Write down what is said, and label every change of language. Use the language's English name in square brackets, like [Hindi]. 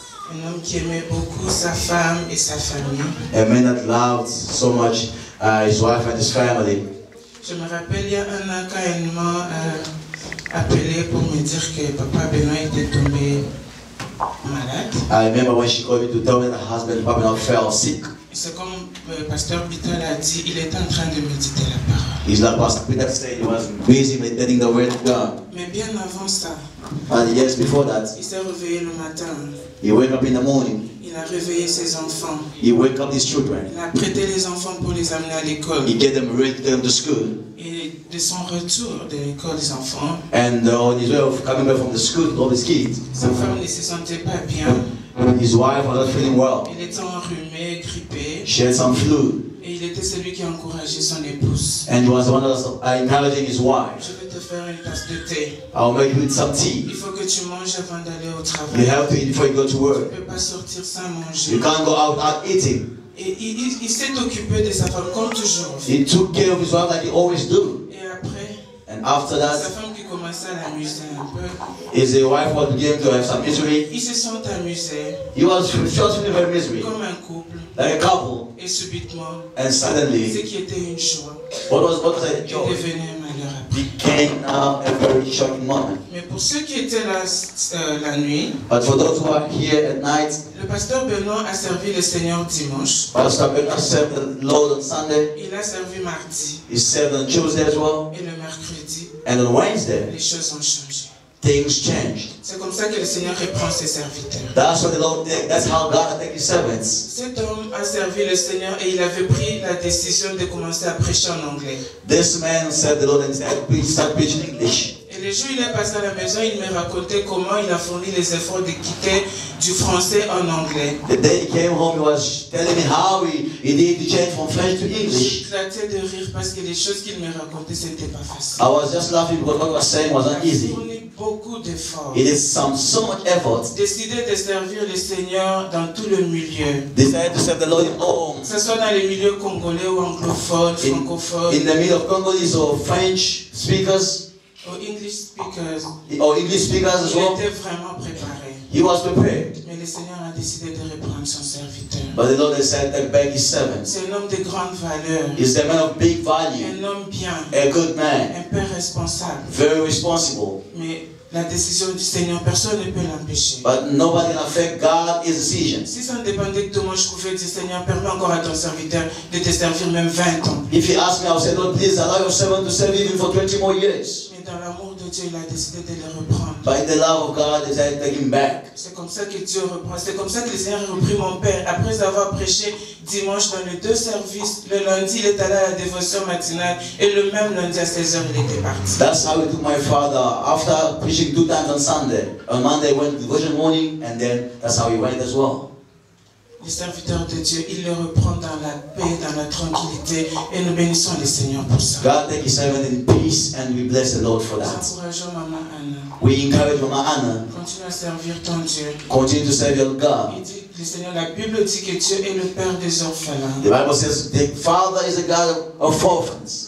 [French] Un homme qui aimait beaucoup sa femme et sa famille. [English] A man that loved so much his wife and his family. [French] Je me rappelle il y a un an quand elle m'a appelé pour me dire que papa Benoît était tombé malade. [English] I remember when she called me to tell me that her husband Papa Benoît fell sick. [French] C'est comme Pasteur Peter a dit, il était en train de méditer la parole. [English] He's like Pastor Peter said, he was busy meditating the word of God. [French] Mais bien avant ça. [English] And yes, before that, [French] il s'est réveillé le matin. [English] He woke up in the morning. [French] Il a réveillé ses enfants. [English] He woke up his children. [French] Il a prêté les enfants pour les amener à l'école. [English] He gave them ready to take them to school. [French] Et de son retour de l'école des enfants. [English] And on his way of coming back from the school with all his kids. [French] Sa femme ne se sentait pas bien. [English] His wife was not feeling well. [French] Il était enrhumé, grippé. [English] She had some flu. [French] Et il était celui qui encourageait son épouse. [English] And he was the one that was encouraging his wife. [French] Je vais te faire une tasse de thé. [English] I'll make you some tea. [French] Il faut que tu manges avant d'aller au travail. [English] You have to eat before you go to work. [French] Tu peux pas sortir sans manger. [English] You can't go out without eating. [French] Et il s'est occupé de sa femme comme toujours. [English] He took care of his wife like he always do. [French] Et après, [English] and after that, [French] sa femme qui [English] His wife was beginning to have some misery. [French] Ils se sont amusés. [English] He was just feeling very misery. [French] Comme un couple. [English] Like a couple. [French] Et subitement, [English] and suddenly, [French] ce qui était une joie, [English] what was a joy? Became a very shocking moment. [French] Mais pour ceux qui étaient là la nuit, [English] but for those who are here at night, [French] le pasteur Benoît a servi le Seigneur dimanche. [English] Pastor Benoît served the Lord on Sunday. [French] Il a servi mardi. [English] He served on Tuesday as well. [French] Et le mercredi. [English] And on Wednesday. [French] Les choses ont changé. [English] Things changed. [French] C'est comme ça que le Seigneur reprend ses serviteurs. [English] That's what the Lord did. That's how God attacked his servants. [French] Cet homme a servi le Seigneur et il avait pris la décision de commencer à prêcher en anglais. [English] This man served the Lord and said, start preaching English. [French] Et le jour où il est passé à la maison, il me racontait comment il a fourni les efforts de quitter du français en anglais. [English] The day he came home, he was telling me how he did change from French to English. [French] J'éclatais de rire parce que les choses qu'il me racontait, ce n'était pas facile. [English] I was just laughing because what he was saying wasn't easy. [French] Beaucoup d'efforts. [English] It is so much effort. [French] Décider de servir le Seigneur dans tout le milieu. [English] Decided to serve the Lord in all. [French] Ce soit dans les milieux congolais ou anglophones, francophones. [English] In the middle of Congolese or French speakers. Or English speakers. Or English speakers as well. [French] Il était vraiment préparé. [English] He was prepared. [French] Mais le Seigneur a décidé de reprendre son serviteur. [English] But the Lord decided to beg his servant. [French] C'est un homme de grande valeur. [English] He's a man of big value. [French] Un homme bien. [English] A good man. [French] Un père responsable. [English] Very responsible. [French] Mais la décision du Seigneur, personne ne peut l'empêcher. [English] But nobody can affect God's decision. [French] Si ça dépendait de moi, je pouvais dire, Seigneur, permets encore à ton serviteur de te servir même 20 ans. [English] If he asked me, I would say, Lord, please allow your servant to serve even for 20 more years. [French] Mais dans l'amour de Dieu, il a décidé de le reprendre. [English] By the love of God, he decided to take him back. [French] C'est comme ça que Dieu reprend. C'est comme ça que le Seigneur a repris mon père. Après avoir prêché dimanche dans les deux services, le lundi, il est allé à la dévotion matinale et le même lundi à 16h, il était parti. [English] That's how it took my father. After preaching two times on Sunday, on Monday, went to devotion morning, and then that's how he went as well. [French] Les serviteurs de Dieu, il le reprend dans la paix, dans la tranquillité, et nous bénissons le Seigneur pour ça. [English] God take his servant in peace, and we bless the Lord for that. We encourage Mama Anna. [French] Continue à servir ton Dieu. [English] Continue to serve your God. [French] Le Seigneur, la Bible dit que Dieu est le père des orphelins. [English] The Bible says the Father is a God of orphans.